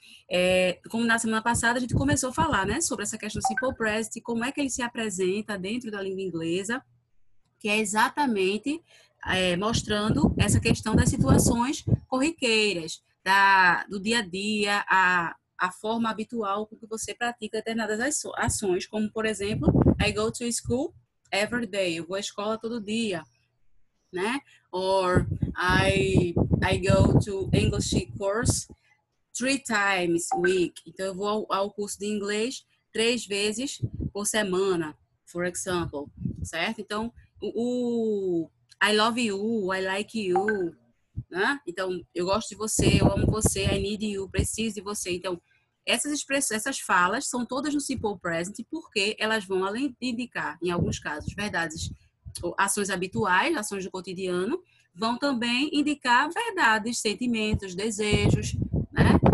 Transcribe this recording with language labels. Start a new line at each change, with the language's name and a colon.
Portuguese: É, como na semana passada a gente começou a falar, né, sobre essa questão do Simple Present, como é que ele se apresenta dentro da língua inglesa, que é exatamente mostrando essa questão das situações corriqueiras, do dia a dia, a forma habitual com que você pratica determinadas ações, como, por exemplo,
English: I go to school every day,
Portuguese: eu vou à escola todo dia, né?
English: Or I go to English course 3 times a week.
Portuguese: Então, eu vou ao curso de inglês 3 vezes por semana,
English: for example,
Portuguese: certo?
English: Então, I love you, I like you, né?
Portuguese: Então, eu gosto de você, eu amo você,
English: I need you,
Portuguese: preciso de você. Então, essas expressões, essas falas são todas no simple present porque elas vão, além de indicar, em alguns casos, verdades, ações habituais, ações do cotidiano, vão também indicar verdades, sentimentos, desejos, né?